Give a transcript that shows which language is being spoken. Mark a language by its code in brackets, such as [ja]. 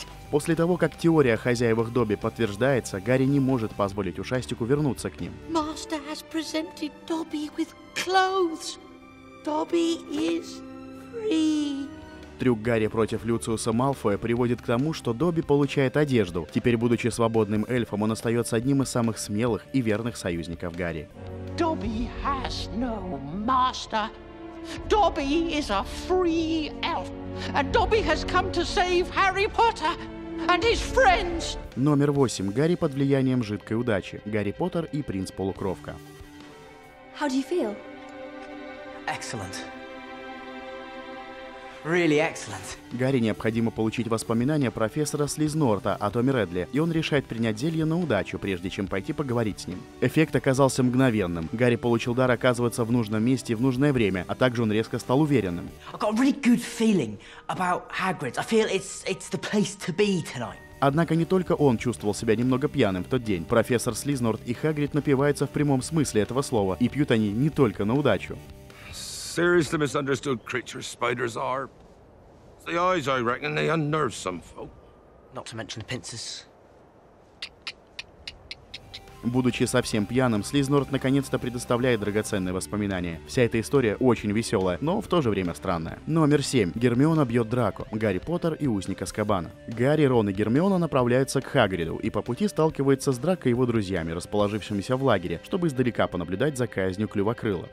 [ru] После того, как теория о хозяевах Добби подтверждается, Гарри не может позволить ушастику вернуться к ним. [en] Master has presented Dobby with clothes. Dobby is free. [ru] Трюк Гарри против Люциуса Малфоя приводит к тому, что Добби получает одежду. Теперь, будучи свободным эльфом, он остается одним из самых смелых и верных союзников Гарри. [en] Добби has no master. Добби is a free elf. And Добби has come to save Harry Potter and his friends. [ru] Номер 8. Гарри под влиянием жидкой удачи. Гарри Поттер и принц полукровка. [en] How do you feel? Excellent. Really excellent. [ru] Гарри необходимо получить воспоминания профессора Слизнорта о Томми Редли, и он решает принять зелье на удачу, прежде чем пойти поговорить с ним. Эффект оказался мгновенным. Гарри получил дар оказываться в нужном месте в нужное время, а также он резко стал уверенным. [en] I've got a really good feeling about Hagrid's. I feel it's the place to be tonight. [ru] Однако не только он чувствовал себя немного пьяным в тот день. Профессор Слизнорт и Хагрид напиваются в прямом смысле этого слова, и пьют они не только на удачу. [en] Seriously misunderstood creatures spiders are. It's the eyes, I reckon, they unnerve some folk. Not to mention the pincers. [ru] Будучи совсем пьяным, Слизнорт наконец-то предоставляет драгоценные воспоминания. Вся эта история очень веселая, но в то же время странная. Номер 7. Гермиона бьет Драко. Гарри Поттер и узник Азкабана. Гарри, Рон и Гермиона направляются к Хагриду и по пути сталкиваются с Драко и его друзьями, расположившимися в лагере, чтобы издалека понаблюдать за казнью Клювокрыла.